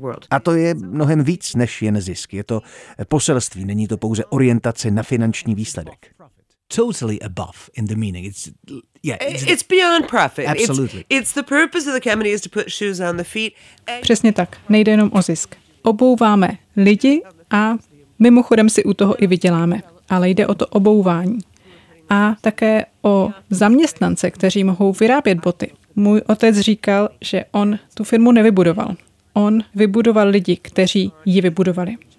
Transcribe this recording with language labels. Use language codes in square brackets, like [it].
[cs] A to je mnohem víc než jen zisk. Je to poselství, není to pouze orientace na finanční výsledek. [en] Totally above in the meaning. It's beyond profit. Absolutely. It's the purpose of the company is to put shoes on the feet. [cs] Přesně tak. Nejde jenom o zisk. Obouváme lidi a mimochodem si u toho i vyděláme. Ale jde o to obouvání. A také o zaměstnance, kteří mohou vyrábět boty. Můj otec říkal, že on tu firmu nevybudoval. On vybudoval lidi, kteří ji vybudovali.